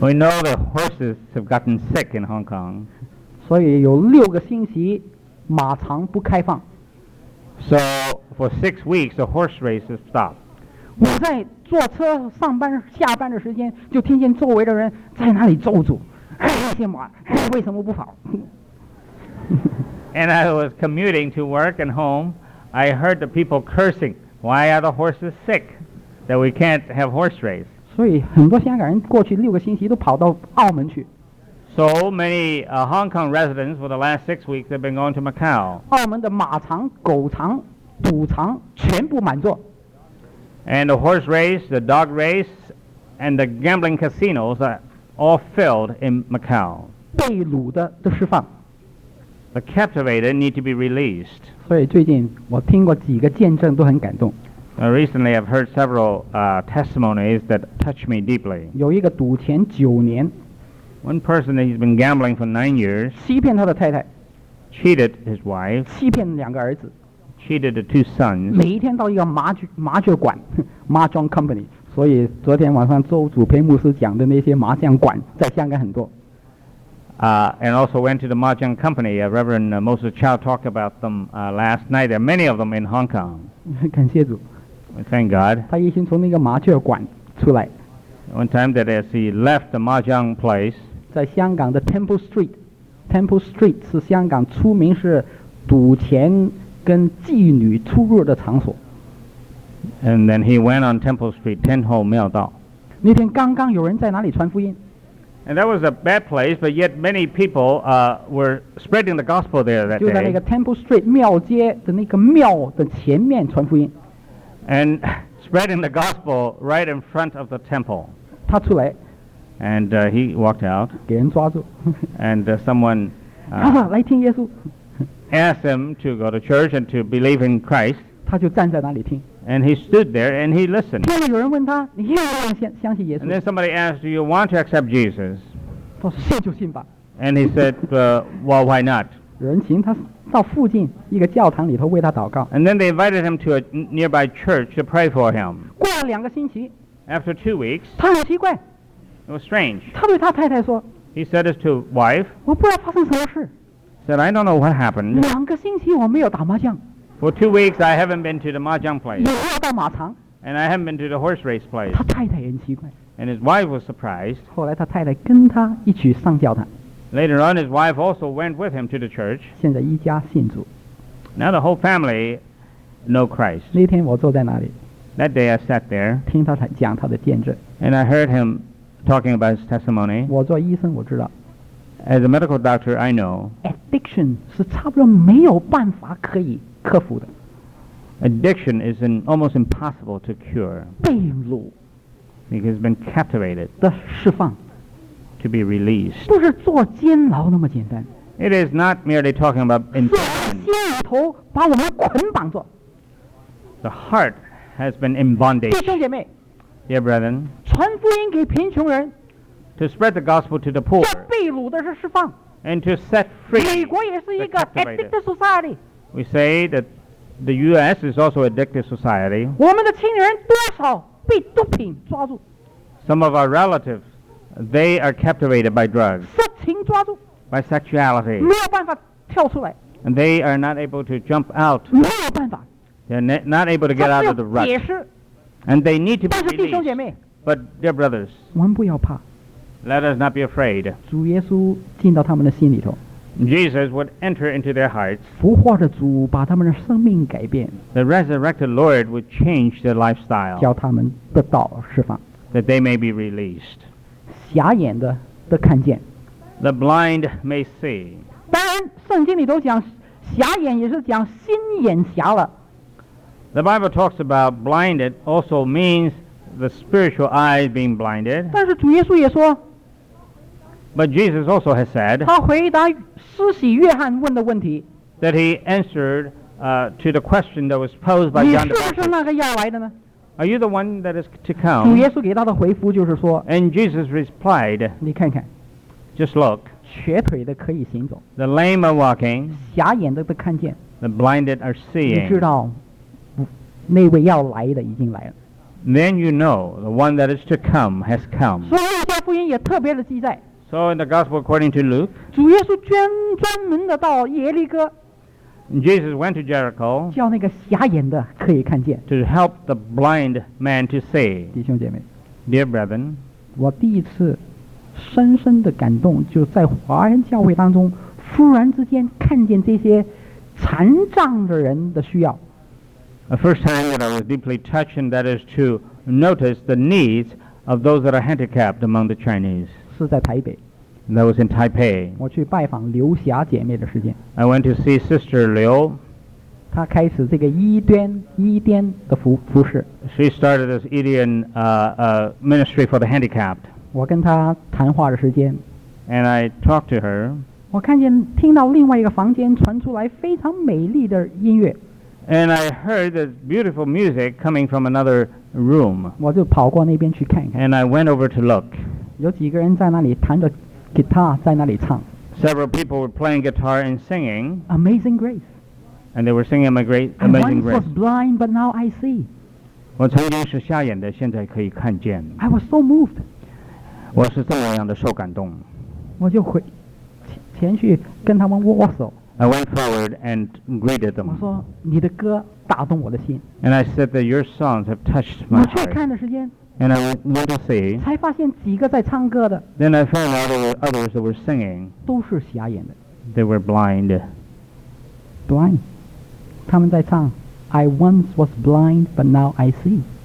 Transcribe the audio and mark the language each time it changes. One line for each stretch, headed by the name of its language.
English: We know the horses have gotten sick in Hong Kong.
Chinese: 所以有六个星期马场不开放。
English: So for 6 weeks, the horse race has stopped.
Chinese: 我在坐车上班下班的时间就听见周围的人在那里咒诅，哎，这马，哎，为什么不跑？
English: And I was commuting to work and home, I heard the people cursing, why are the horses sick? that we can't have horse race.
Chinese: 所以很多香港人过去六个星期都跑到澳门去。
English: So many Hong Kong residents for the last 6 weeks have been going to Macau.
Chinese: 澳门的马场、狗场、赌场全部满座。
English: And the horse race, the dog race, and the gambling casinos are all filled in Macau.
Chinese: 被掳的都释放。
English: The captivated need to be released.
Chinese: 所以最近我听过几个见证都很感动。
English: Recently, I've heard several testimonies that touch me deeply.
Chinese: 有一个赌钱九年。
English: One person that he's been gambling for 9 years.
Chinese: 欺骗他的太太。
English: Cheated his wife.
Chinese: 欺骗两个儿子。
English: Cheated the two sons.
Chinese: 每一天到一个麻将馆 ，Mahjong Company. 所以昨天晚上周祖培牧师讲的那些麻将馆在香港很多。
English: And also went to the Mahjong Company. Reverend Moses Chow talked about them last night. There are many of them in Hong Kong.
Chinese: 感谢主。
English: Thank God.
Chinese: 他已经从那个麻将馆出来。
English: One time that as he left the Mahjong place.
Chinese: 在香港的 Temple Street. Temple Street 是香港出名是赌钱跟妓女出入的场所。
English: And then he went on Temple Street, Ten Ho Miao Dao.
Chinese: 那天刚刚有人在哪里传福音。
English: And that was a bad place, but yet many people were spreading the gospel there that day.
Chinese: 就在那个 Temple Street 庙街的那个庙的前面传福音。
English: And spreading the gospel right in front of the temple.
Chinese: 他出来。
English: And he walked out.
Chinese: 给人抓住。
English: And someone
Chinese: 来听耶稣。
English: Asked him to go to church and to believe in Christ.
Chinese: 他就站在那里听。
English: And he stood there and he listened.
Chinese: 现在有人问他，你愿不愿意相信耶稣？
English: And then somebody asked, do you want to accept Jesus?
Chinese: 他说信就信吧。
English: And he said, well, why not?
Chinese: 人请他到附近一个教堂里头为他祷告。
English: And then they invited him to a nearby church to pray for him.
Chinese: 过了两个星期。
English: After 2 weeks.
Chinese: 他很奇怪。
English: It was strange.
Chinese: 他对他太太说。
English: He said this to his wife.
Chinese: 我不知道发生什么事。
English: Said, I don't know what happened.
Chinese: 两个星期我没有打麻将。
English: For 2 weeks, I haven't been to the mahjong place.
Chinese: 也要到马场。
English: And I haven't been to the horse race place.
Chinese: 他太太也很奇怪。
English: And his wife was surprised.
Chinese: 后来他太太跟他一起上教堂。
English: Later on, his wife also went with him to the church.
Chinese: 现在一家信主。
English: Now the whole family know Christ.
Chinese: 那天我坐在那里。
English: That day I sat there.
Chinese: 听他讲他的见证。
English: And I heard him talking about his testimony.
Chinese: 我做医生我知道。
English: As a medical doctor, I know.
Chinese: Addiction 是差不多没有办法可以克服的。
English: Addiction is an almost impossible to cure.
Chinese: 被掳。
English: Because it's been captivated.
Chinese: 的释放。
English: To be released.
Chinese: 不是坐监牢那么简单。
English: It is not merely talking about imprisonment.
Chinese: 是心里头把我们捆绑着。
English: The heart has been in bondage.
Chinese: 弟兄姐妹。
English: Dear brethren.
Chinese: 传福音给贫穷人。
English: To spread the gospel to the poor.
Chinese: 这被掳的是释放。
English: And to set free.
Chinese: 美国也是一个
English: addicted society. We say that the U.S. is also addicted society.
Chinese: 我们的亲人多少被毒品抓住。
English: Some of our relatives. They are captivated by drugs.
Chinese: 色情抓住。
English: By sexuality.
Chinese: 没有办法跳出来。
English: And they are not able to jump out.
Chinese: 没有办法。
English: They're not able to get out of the rut.
Chinese: 解释。
English: And they need to be
Chinese: released. 但是弟兄姐妹。
English: But dear brothers.
Chinese: 我们不要怕。
English: Let us not be afraid.
Chinese: 主耶稣进到他们的心里头。
English: Jesus would enter into their hearts.
Chinese: 复活的主把他们的生命改变。
English: The resurrected Lord would change their lifestyle.
Chinese: 叫他们得到释放。
English: That they may be released.
Chinese: 瞎眼的都看见
English: The blind may see
Chinese: 当然圣经里都讲瞎眼也是讲心眼瞎了
English: The Bible talks about blinded also means the spiritual eyes being blinded
Chinese: 但是主耶稣也说
English: But Jesus also has said
Chinese: 他回答施洗约翰问的问题
English: That he answered to the question that was posed by John the Baptist
Chinese: 你是不是那个要来的呢
English: Are you the one that is to come?
Chinese: 主耶稣给他的回复就是说
English: And Jesus replied
Chinese: 你看看
English: Just look
Chinese: 瘸腿的可以行走
English: The lame are walking
Chinese: 瞎眼的都看见
English: The blinded are seeing
Chinese: 你知道那位要来的已经来了
English: Then you know the one that is to come has come
Chinese: 所以路加福音也特别的记载
English: So in the gospel according to Luke
Chinese: 主耶稣专门的到耶利哥
English: Jesus went to Jericho
Chinese: 叫那个瞎眼的可以看见
English: To help the blind man to see
Chinese: 弟兄姐妹
English: Dear brethren
Chinese: 我第一次深深的感动就在华人教会当中忽然之间看见这些残障的人的需要
English: The first time that I was deeply touched and that is to notice the needs of those that are handicapped among the Chinese.
Chinese: 是在台北。
English: That was in Taipei.
Chinese: 我去拜访刘霞姐妹的时间。
English: I went to see Sister Liu.
Chinese: 她开始这个伊甸的服侍。
English: She started this Edian ministry for the handicapped.
Chinese: 我跟她谈话的时间。
English: And I talked to her.
Chinese: 我看见听到另外一个房间传出来非常美丽的音乐。
English: And I heard the beautiful music coming from another room.
Chinese: 我就跑过那边去看看。
English: And I went over to look.
Chinese: 有几个人在那里弹着吉他在那里唱。
English: Several people were playing guitar and singing. Amazing Grace. And they were singing Amazing Grace. I once was blind, but now I see.
Chinese: 我曾经是瞎眼的，现在可以看见。
English: I was so moved.
Chinese: 我是这么样的受感动。我就回前去跟他们握手。
English: I went forward and greeted them.
Chinese: 我说你的歌打动我的心。
English: And I said that your songs have touched my heart.
Chinese: 我去看的时间。
English: And I went to see.
Chinese: 才发现几个在唱歌的。
English: Then I found out there were others that were singing.
Chinese: 都是瞎眼的。
English: They were blind. Blind.
Chinese: 他们在唱
English: I once was blind, but now I see.